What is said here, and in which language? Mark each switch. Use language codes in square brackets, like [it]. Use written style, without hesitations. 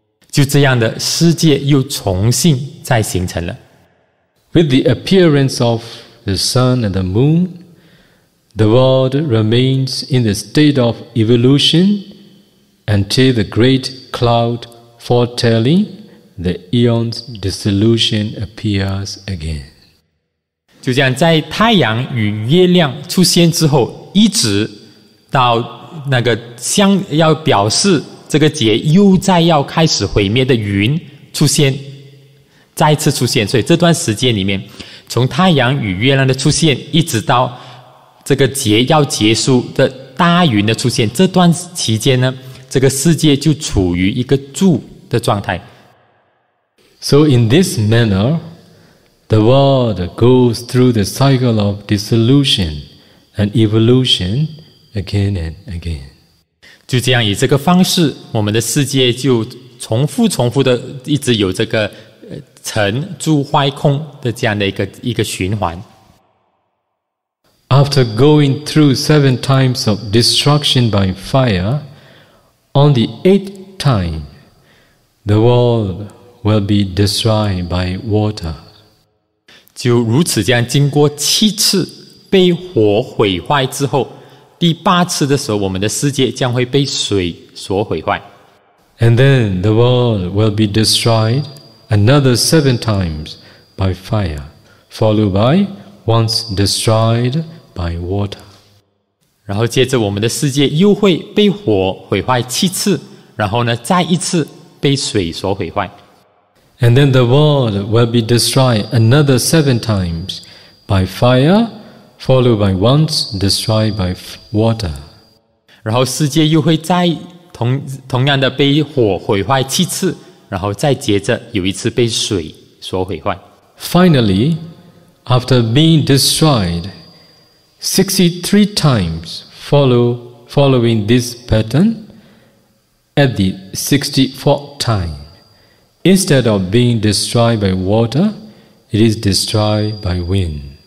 [zh] 就这样的，世界又重新再形成了。 [en] With the appearance of the sun and the moon, the world remains in the state of evolution until the great cloud foretelling the eon's dissolution appears again. [zh] 就这样，在太阳与月亮出现之后，一直到那个像要表示这个节又再要开始毁灭的云出现，再次出现，所以这段时间里面，从太阳与月亮的出现一直到这个节要结束的大云的出现，这段期间呢，这个世界就处于一个住的状态。 [en] So in this manner, the world goes through the cycle of dissolution and evolution again and again. [zh] 就这样，以这个方式，我们的世界就重复重复的一直有这个成住坏空的这样的一个循环。 [en] After going through seven times of destruction by fire, on the eighth time, the world will be destroyed by water. [zh] 就如此这样经过七次被火毁坏之后，第八次的时候，我们的世界将会被水所毁坏。 [en] And then the world will be destroyed. Another seven times by fire, followed by once destroyed by water. [zh] 然后接着我们的世界又会被火毁坏七次，然后呢再一次被水所毁坏。 [en] And then the world will be destroyed another seven times by fire, followed by once destroyed by water. [zh] 然后世界又会再 同样的被火毁坏七次，然后再接着有一次被水所毁坏。 [en] Finally, after being destroyed 63 times following this pattern, at the 64th time,Instead of being destroyed by water, it is destroyed by wind.